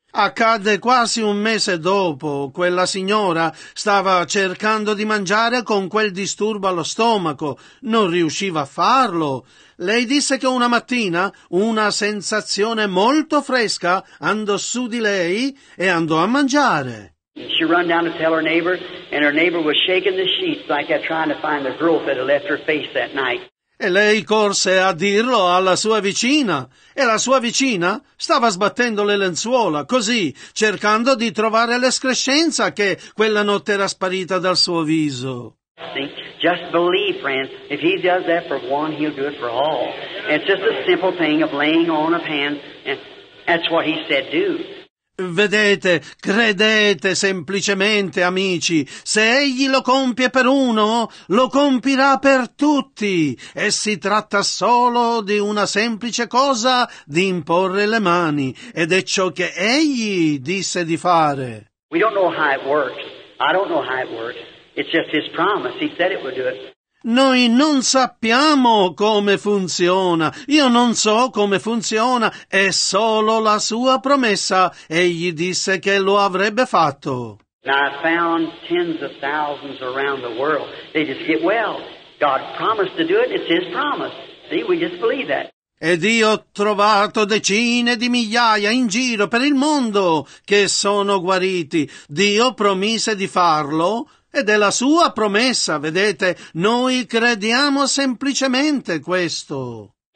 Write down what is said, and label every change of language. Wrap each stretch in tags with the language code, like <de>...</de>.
<it>Accadde quasi un mese dopo, quella signora stava cercando di mangiare con quel disturbo allo stomaco, non riusciva a farlo. Lei disse che una mattina una sensazione molto fresca andò su di lei e andò a mangiare.</it> <en>She ran down to tell her neighbor, and her neighbor was shaking the sheets like that, trying to find the growth that had left her face that night.</en> <it>E lei corse a dirlo alla sua vicina, e la sua vicina stava sbattendo le lenzuola, così, cercando di trovare l'escrescenza che quella notte era sparita dal suo viso.</it> <en>Just believe, friends, if he does that for one, he'll do it for all. It's just a simple thing of laying on of hands, and that's what he said do.</en> <it>Vedete, credete semplicemente, amici, se egli lo compie per uno, lo compirà per tutti, e si tratta solo di una semplice cosa di imporre le mani, ed è ciò che egli disse di fare.</it> <en>We don't know how it works. I don't know how it works. It's just his promise. He said it would do it.</en> <it>Noi non sappiamo come funziona, io non so come funziona, è solo la sua promessa, egli disse che lo avrebbe fatto.</it> <en>Now I found tens of thousands around the world, they just get well, God promised to do it, it's his promise, see, we just believe that.</en> <it>Ed io ho trovato decine di migliaia in giro per il mondo che sono guariti, Dio promise di farlo. Ed è la sua promessa, vedete, noi crediamo semplicemente questo.</it>